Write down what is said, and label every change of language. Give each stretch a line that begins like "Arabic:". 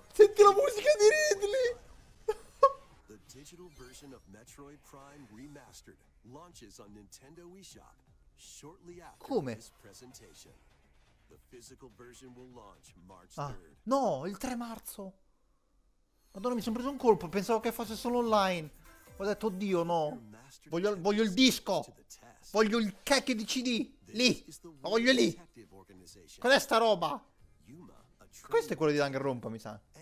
Italian: Senti la musica di Ridley!
English: The digital version of Metroid Prime Remastered launches on Nintendo eShop shortly after.
Italian: Come?
English: This presentation. The physical version will launch March 3rd.
Italian: No, il 3 marzo. Madonna, mi sono preso un colpo, pensavo che fosse solo online. Ho detto oddio, no. Voglio il disco. Voglio il cacchio di CD lì. Lo voglio lì. Qual è sta roba? Questo è quello di Danganronpa, mi sa.